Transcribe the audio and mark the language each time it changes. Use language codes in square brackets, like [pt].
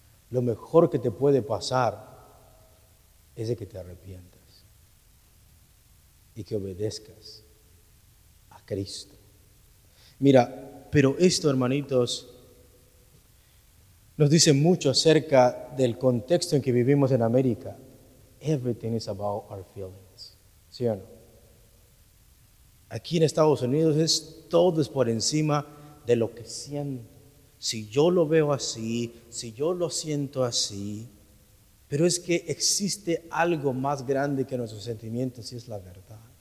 [es] Lo mejor que te puede pasar es de que te arrepientas y que obedezcas a Cristo. Mira, pero esto, hermanitos, nos dice mucho acerca del contexto en que vivimos en América. [en] Everything is about our feelings. [es] ¿Sí o no? Aquí en Estados Unidos es todo es por encima de lo que siento. Si yo lo veo así, si yo lo siento así, pero es que existe algo más grande que nuestros sentimientos y es la verdad.